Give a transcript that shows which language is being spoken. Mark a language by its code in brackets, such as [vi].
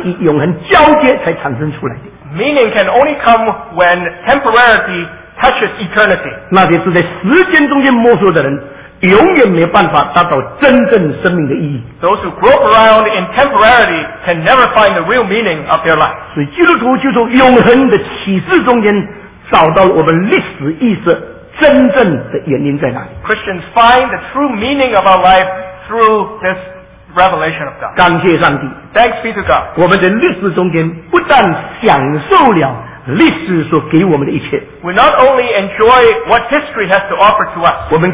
[zh] 如果意义是从暂时与永恒交接才产生出来的。 [en] Meaning can only come when temporality touches eternity. [zh] 那些是在时间中间摸索的人。永远没办法达到真正生命的意义。 [en] Those who grope around in temporality can never find the real meaning of their life. [zh] 所以基督徒就从永恒的启示中间找到我们历史意识真正的原因在哪里。 [en] Christians find the true meaning of our life through this revelation of God. [zh] 感谢上帝。 [en] Thanks be to God. [zh] 我们在历史中间不但享受了 历史所给我们的一切, [en] we not only enjoy what history has to offer to us,